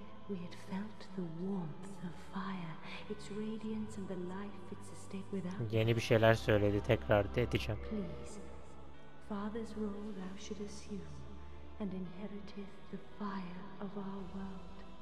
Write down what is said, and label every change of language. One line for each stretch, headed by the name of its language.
English: We had felt the warmth of fire, its radiance and the life it sustained without.
Turkish: Yeni bir şeyler söyledi, tekrar edeceğim.
English: Please, father's role thou should assume, and inheriteth the fire of our world.